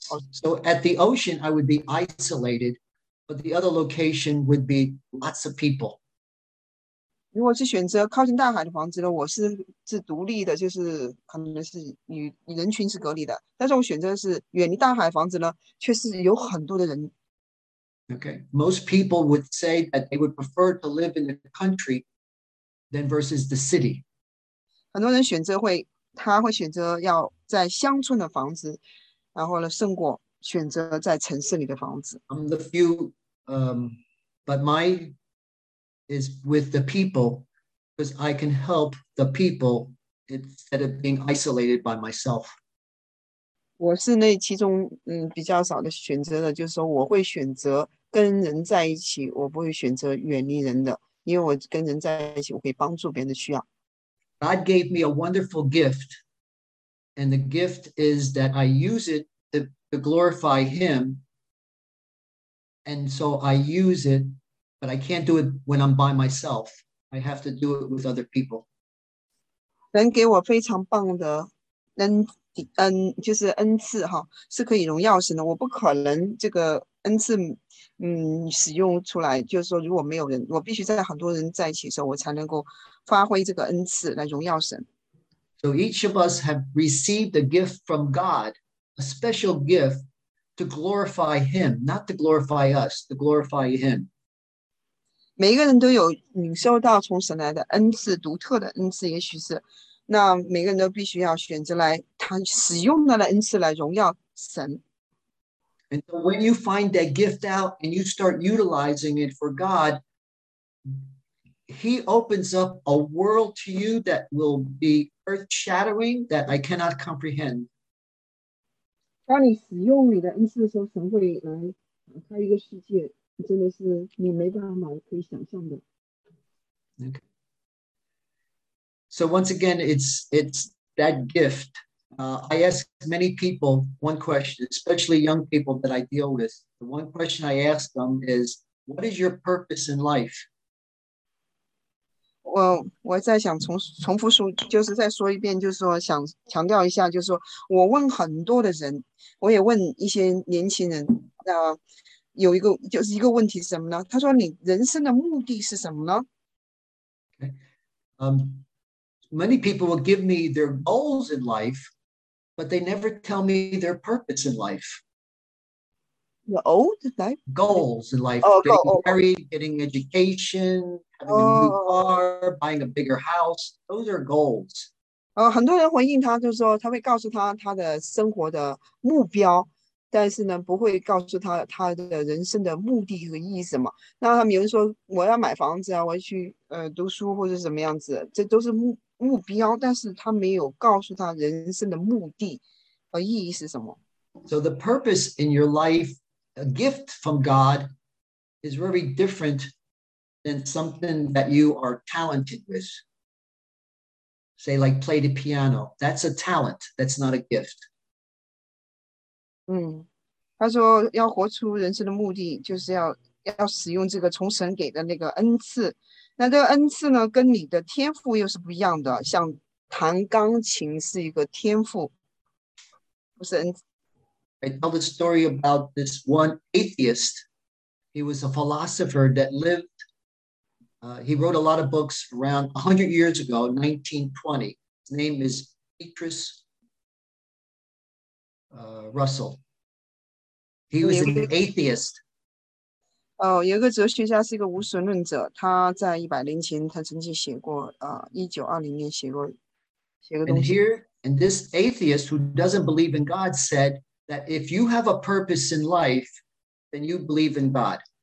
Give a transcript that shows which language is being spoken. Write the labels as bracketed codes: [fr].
[en] So at the ocean, I would be isolated, but the other location would be lots of people. [zh] 如果是选择靠近大海的房子呢，我 是独立的，就是可能是与人群是隔离的。但是我选择是远离大海房子呢，却是有很多的人。 [en] Okay, most people would say that they would prefer to live in the country than versus the city. [zh] 很多人选择会，他会选择要在乡村的房子，然后呢，胜过选择在城市里的房子。 [en] I'm the few, but my... is with the people, because I can help the people instead of being isolated by myself. [zh] 我是那其中比较少的选择的，就是说我会选择跟人在一起，我不会选择远离人的，因为我跟人在一起，我可以帮助别人的需要。 [en] God gave me a wonderful gift, and the gift is that I use it to glorify Him, and so I use it, but I can't do it when I'm by myself. I have to do it with other people. [zh] 人给我非常棒的人。就是恩赐哈，是可以荣耀神的。我不可能这个恩赐使用出来，就是说如果没有人，我必须在很多人在一起的时候，我才能够发挥这个恩赐来荣耀神。 [en] So each of us have received a gift from God, a special gift to glorify Him, not to glorify us, to glorify Him. [zh] 每一个人都有领受到从神来的恩赐，独特的恩赐，也许是。那每个人都必须要选择来他使用的恩赐来荣耀神。 [en] And so when you find that gift out and you start utilizing it for God, He opens up a world to you that will be earth-shattering that I cannot comprehend. [zh] 当你使用你的恩赐的时候，神会来打开一个世界，真的是你没办法可以想象的。 [en] Okay. So once again, it's that gift. I ask many people one question, especially young people that I deal with. The one question I ask them is, what is your purpose in life? [zh] Well, 我在想重复说，就是再说一遍，就是说想强调一下，就是说我问很多的人，我也问一些年轻人，那有一个就是一个问题是什么呢？他说你人生的目的是什么呢？ [en] Okay. Many people will give me their goals in life, but they never tell me their purpose in life. The old life? Goals in life. Oh, getting married, getting education, having a new car, buying a bigger house. Those are goals. [zh] 很多人回应他就是说他会告诉他的生活的目标，但是呢不会告诉他的人生的目的和意义什么。那他们有人说我要买房子啊，我要去读书或者什么样子，这都是目标，但是他没有告诉他人生的目的和意义是什么。 [en] So the purpose in your life, a gift from God, is very different than something that you are talented with. Say like play the piano. That's a talent. That's not a gift. [zh] 他说要活出人生的目的，就是要使用这个从神给的那个恩赐。那这个恩赐呢跟你的天赋又是不一样的，像弹钢琴是一个天赋，不是恩赐。 [en] I tell the story about this one atheist. He was a philosopher that lived, he wrote a lot of books around 100 years ago, 1920. His name is Petrus Russell. He was an atheist. [zh] 有一个哲学家是一个无神论者，他在100年前他曾经写过1920年写过东西。 [en] And here, and this atheist who doesn't believe in God said that if you have a purpose in life, then you believe in God.